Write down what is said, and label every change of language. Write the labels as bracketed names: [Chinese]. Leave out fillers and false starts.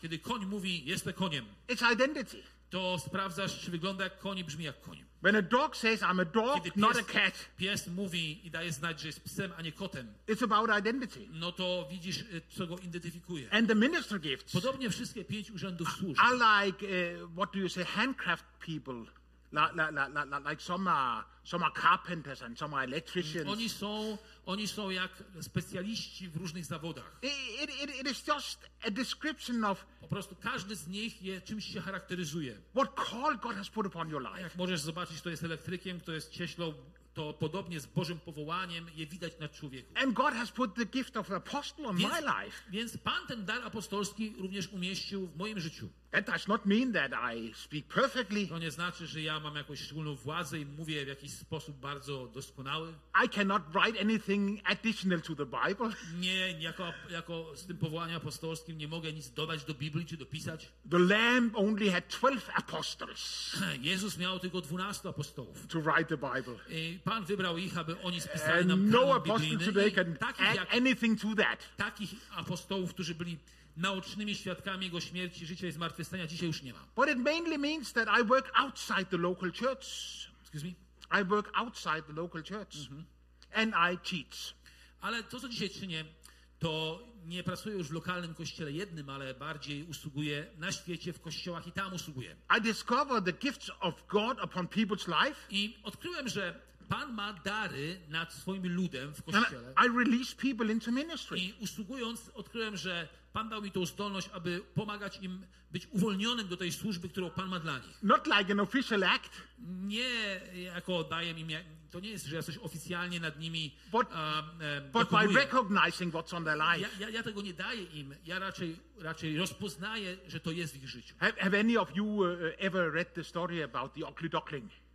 [Polish] Kiedy koń mówi, jestem koniem. [English] It's identity. [Polish] To sprawdzasz, czy wygląda jak koń i brzmi jak koń. [English] When a dog says, I'm a dog, [Polish] kiedy [English] not a cat. [Polish] Pies mówi i daje znać, że jest psem, a nie kotem. [English] It's about identity. [Polish] No to widzisz, co go identyfikuje. [English] And the minister gifts. [Polish] Podobnie wszystkie pięć urzędów służb. [English] I like, what do you say, handcraft people. Like some are carpenters and some are electricians. [Polish] Oni są jak specjaliści w różnych zawodach. [English] It is just a description of. [Polish] Po prostu każdy z nich je czymś się charakteryzuje. [English] What call God has put upon your life. [Polish] Jak możesz zobaczyć, to jest elektrykiem, to jest cieślą, to podobnie z Bożym powołaniem je widać na człowieku. [English] And God has put the gift of apostle on my life. [Polish] Więc Pan ten dar apostolski również umieścił w moim życiu. [English] That does not mean that I speak perfectly. [Polish] To nie znaczy, że ja mam jakąś szczególną władzę i mówię w jakiś sposób bardzo doskonały. [English] I cannot write anything additional to the Bible. [Polish] Nie, jako z tym powołaniem apostolskim nie mogę nic dodać do Biblii czy dopisać. [English] The Lamb only had 12 apostles. [Polish] Jezus miał tylko 12 apostołów. [English] To write the Bible. [Polish] I Pan wybrał ich, aby oni spisali nam kanon biblijny. [English] No apostle can add anything to that. [Polish] Takich apostołów, którzy byli naocznymi świadkami jego śmierci, życia i zmartwychwstania, dzisiaj już nie ma. [English] But it mainly means that I work outside the local church. Excuse me? I work outside the local church. Mm-hmm. And I teach. [Polish] Ale to, co dzisiaj czynię, to nie pracuję już w lokalnym kościele jednym, ale bardziej usługuję na świecie, w kościołach i tam usługuję. [English] I discover the gifts of God upon people's life. [Polish] I odkryłem, że Pan ma dary nad swoim ludem w kościele. [English] I released people into ministry. [Polish] I usługując, odkryłem, że Pan dał mi tą zdolność, aby pomagać im być uwolnionym do tej służby, którą Pan ma dla nich. [English] Not like an official act. [Polish] Nie jako daję im, to nie jest, że ja coś oficjalnie nad nimi dokonuję. [English] By recognizing what's on their life. [Polish] Ja tego nie daję im. Ja raczej rozpoznaję, że to jest w ich życiu. [English] Have any of you ever read the story about the Ugly Duckling?